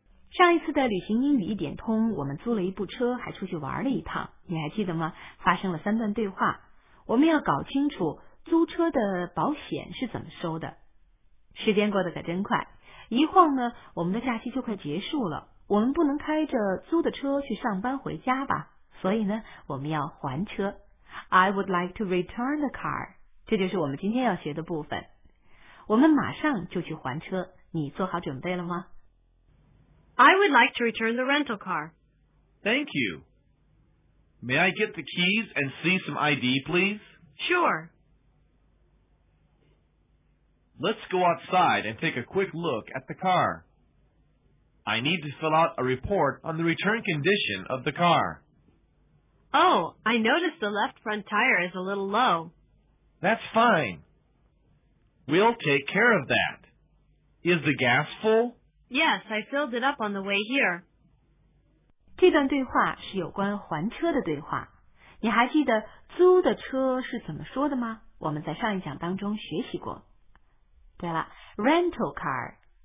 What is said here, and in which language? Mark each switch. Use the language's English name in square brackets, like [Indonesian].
[Chinese] 上一次的旅行英语一点通，我们租了一部车，还出去玩了一趟，你还记得吗？发生了三段对话，我们要搞清楚租车的保险是怎么收的。时间过得可真快，一晃呢，我们的假期就快结束了，我们不能开着租的车去上班回家吧？所以呢，我们要还车。 [English] I would like to return the car. [Chinese] 这就是我们今天要学的部分。我们马上就去还车，你做好准备了吗？ [English] I would like to return the rental car. Thank you. May I get the keys and see some ID, please? Sure. Let's go outside and take a quick look at the car. I need to fill out a report on the return condition of the car. Oh, I noticed the left front tire is a little low. That's fine. We'll take care of that. Is the gas full? Yes, I filled it up on the way here. [Chinese] 这段对话是有关还车的对话。你还记得租的车是怎么说的吗？我们在上一讲当中学习过。对了 ,rental car.